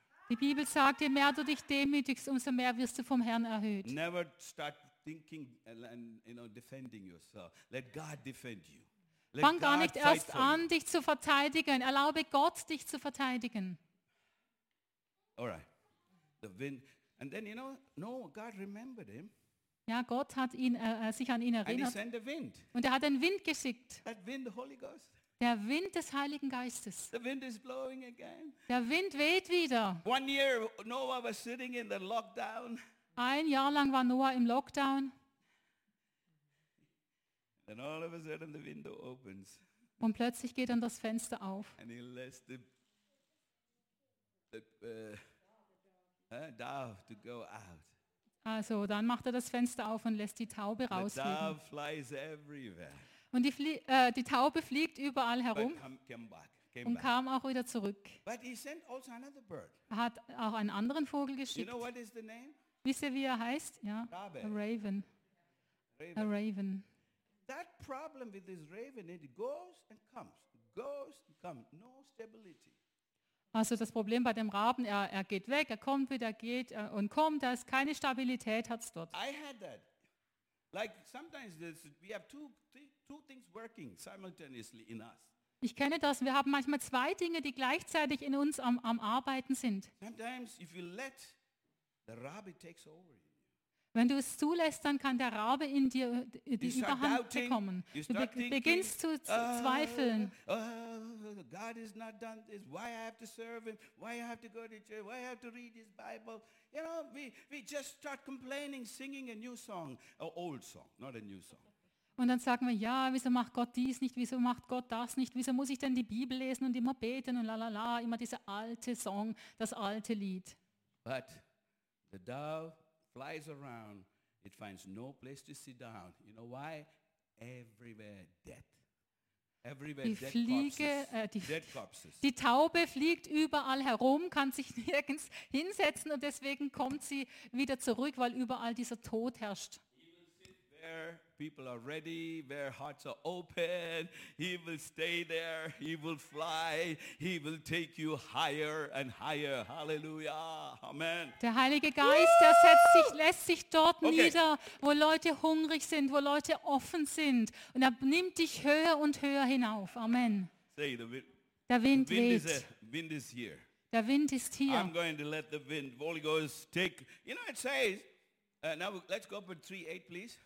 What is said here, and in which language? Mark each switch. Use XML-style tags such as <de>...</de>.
<de>Die Bibel sagt, je mehr du dich demütigst, umso mehr wirst du vom Herrn erhöht.</de> <en>Never start thinking and, you know, defending yourself. Let God defend you.</en> <de>Fang gar nicht erst an, dich zu verteidigen. Erlaube Gott, dich zu verteidigen.</de> <en>All right. The wind. And then, you know, no, God remembered him.</en> <de>Ja, Gott hat ihn, sich an ihn erinnert.</de> <en>And he sent a wind.</en> <de>Und er hat einen Wind geschickt.</de> <en>That wind, the Holy Ghost.</en> <de>Der Wind des Heiligen Geistes.</de> <en>The wind is blowing again.</en> <de>Der Wind weht wieder.</de> <en>One year Noah was sitting in the lockdown.</en> <de>Ein Jahr lang war Noah im Lockdown.</de> <en>And all of a sudden the window opens.</en> <de>Und plötzlich geht dann das Fenster auf.</de> <en>And he lets the dove to go out.</en> <de>Also, dann macht er das Fenster auf und lässt die Taube rausfliegen. Und die Taube fliegt überall herum und kam auch wieder zurück. Er hat auch einen anderen Vogel geschickt.</de> <en>You know what is the name?</en> <de>Wisst ihr, wie er heißt? Ja,</de> <en>a raven. Raven. A raven. That problem with this raven, it goes and comes, goes and comes. No stability.</en> <de>Also das Problem bei dem Raben, er geht weg, er kommt wieder, geht und kommt, da ist keine Stabilität, hat es dort.</de> <en>I had that. Like sometimes this, we have two things working simultaneously in us.</en> <de>Ich kenne das, wir haben manchmal zwei Dinge, die gleichzeitig in uns am Arbeiten sind.</de> <en>Sometimes if you let, the Rabbi takes over.</en> <de>Wenn du es zulässt, dann kann der Rabe in dir die Überhand bekommen. Du beginnst zu zweifeln.</de> <en>God has not done this. Why I have to serve him? Why I have to go to church? Why I have to read his Bible? You know, we just start complaining, singing a new song, an old song, not a new song.</en> <de>Und dann sagen wir, ja, wieso macht Gott dies nicht? Wieso macht Gott das nicht? Wieso muss ich denn die Bibel lesen und immer beten und lalala, immer dieser alte Song, das alte Lied.</de> <en>But the dove flies around, it finds no place to sit down. You know why? Everywhere death. Everywhere</en> <de>die Fliege,</de> <en>dead corpses.</en> <de>Die Taube fliegt überall herum, kann sich nirgends hinsetzen und deswegen kommt sie wieder zurück, weil überall dieser Tod herrscht.</de> <en>He there. People are ready. Their hearts are open. He will stay there. He will fly. He will take you higher and higher. Hallelujah. Amen.</en> <de>Der Heilige Geist, der setzt sich, lässt sich dort okay. nieder, wo Leute hungrig sind, wo Leute offen sind. Und er nimmt dich höher und höher hinauf. Amen.</de> <en>Say the wind.</en> <de>Der Wind weht.</de> <en>The wind is here.</en> <de>Der Wind ist hier.</de> <en>I'm going to let the wind, Holy Ghost, take. You know, it says, now let's go up to 3:8, please.</en>